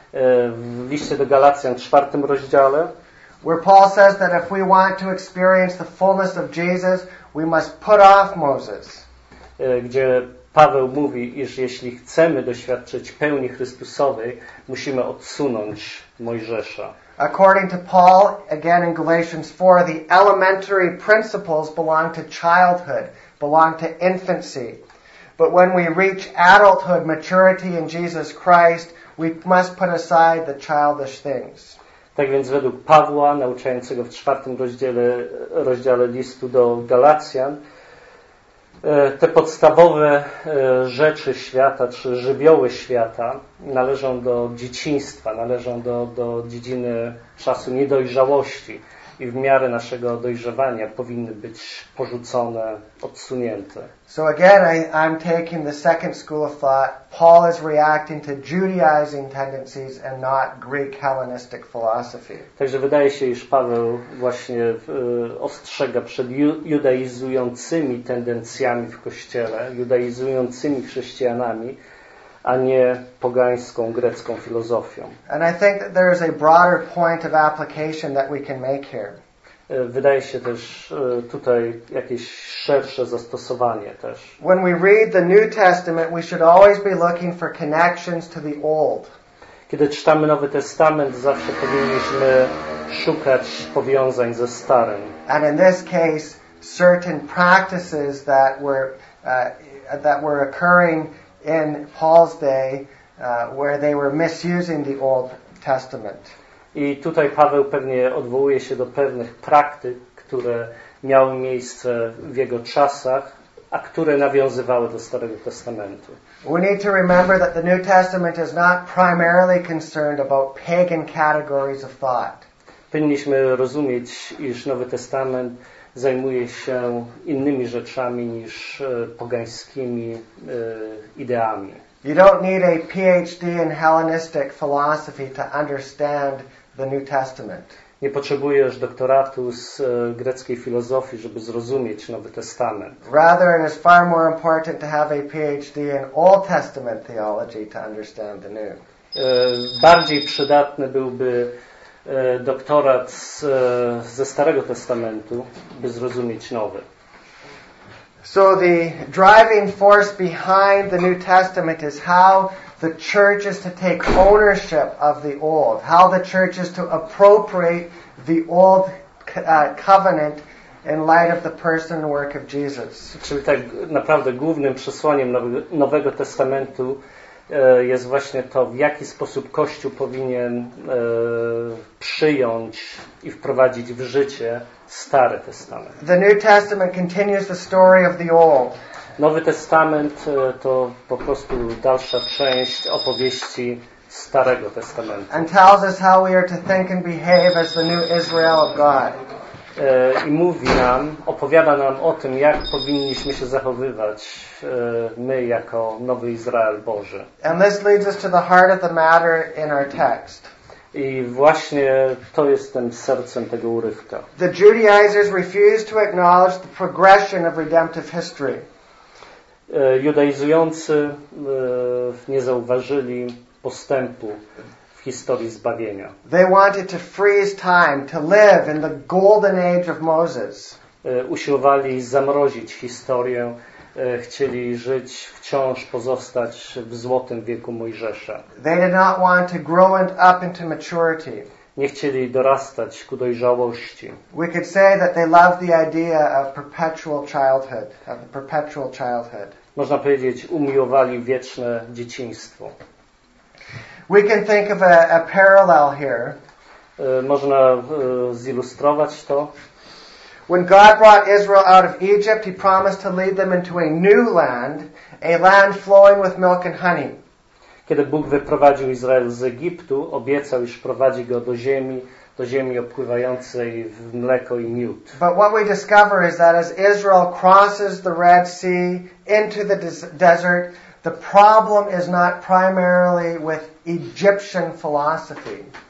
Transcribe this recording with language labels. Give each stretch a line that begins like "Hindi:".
Polish: W liście do Galacjan, w czwartym rozdziale.
English: Where Paul says that if we want to experience the fullness of Jesus, we must put off Moses.
Polish: Gdzie Paweł mówi, iż jeśli chcemy doświadczyć pełni Chrystusowej, musimy odsunąć Mojżesza.
English: According to Paul, again in Galatians 4, the elementary principles belong to childhood, belong to infancy. But when we reach adulthood, maturity in Jesus Christ, we must put aside the childish things.
Polish: Tak więc według Pawła, nauczającego w czwartym rozdziale listu do Galacjan, te podstawowe rzeczy świata, czy żywioły świata, należą do dzieciństwa, należą do dziedziny czasu niedojrzałości i w miarę naszego dojrzewania powinny być porzucone, odsunięte.
English: So again, I'm taking the second school of thought. Paul is reacting to Judaizing tendencies and not Greek Hellenistic philosophy.
Polish: Także wydaje się, iż Paweł właśnie ostrzega przed judaizującymi tendencjami w Kościele, judaizującymi chrześcijanami, a nie pogańską grecką filozofią.
English: And I think that there is a broader point of application that we can make here.
Polish: Wydaje się też tutaj jakieś szersze zastosowanie też.
English: When we read the New Testament, we should always be looking for connections to the Old.
Polish: Kiedy czytamy Nowy Testament, zawsze powinniśmy szukać powiązań ze Starym.
English: And in this case, certain practices that were occurring in Paul's day, where they were misusing the Old Testament.
Polish: I tutaj Paweł pewnie odwołuje się do pewnych praktyk, które miały miejsce w jego czasach, a które nawiązywały do Starego Testamentu.
English: We need to remember that the New Testament is not primarily concerned about pagan categories of thought.
Polish: Powinniśmy rozumieć, iż Nowy Testament zajmuje się innymi rzeczami niż pogańskimi ideami.
English: You don't need a PhD in Hellenistic philosophy to understand the New Testament.
Polish: Nie potrzebujesz doktoratu z greckiej filozofii, żeby zrozumieć Nowy Testament.
English: Rather, it is far more important to have a PhD in Old Testament theology to understand the New.
Polish: Bardziej przydatny byłby doktorat ze Starego Testamentu, by zrozumieć Nowy.
English: So the driving force behind the New Testament is how the church is to take ownership of the old, how the church is to appropriate the old covenant in light of the person and work of Jesus.
Polish: Czyli tak naprawdę głównym przesłaniem Nowego Testamentu jest właśnie to, w jaki sposób Kościół powinien przyjąć i wprowadzić w życie Stary Testament.
English: The New Testament continues the story of the old.
Polish: Nowy Testament to po prostu dalsza część opowieści Starego Testamentu.
English: And tells us how we are to think and behave as the new Israel of God.
Polish: I mówi nam, opowiada nam o tym, jak powinniśmy się zachowywać my jako nowy Izrael Boży.
English: And this leads us to the heart of the matter in our text.
Polish: I właśnie to jest tym sercem tego urywka.
English: The Judaizers refused to acknowledge the progression of redemptive history.
Polish: Judaizujący nie zauważyli postępu w historii zbawienia.
English: They wanted to freeze time, to live in the golden age of Moses.
Polish: Usiłowali zamrozić historię, chcieli żyć, wciąż pozostać w złotym wieku Mojżesza.
English: They did not want to grow up into maturity.
Polish: Nie chcieli dorastać ku dojrzałości.
English: We could say that they loved the idea of perpetual childhood, of the perpetual childhood.
Polish: Można powiedzieć, umiłowali wieczne dzieciństwo.
English: We can think of a parallel here.
Polish: Można zilustrować to.
English: When God brought Israel out of Egypt, he promised to lead them into a new land, a land flowing with milk and honey.
Polish: Kiedy Bóg wyprowadził Izrael z Egiptu, obiecał, iż prowadzi go do ziemi opływającej w mleko i miód.
English: But what we discover is that as Israel crosses the Red Sea into the desert, the problem is not primarily with Egyptian philosophy.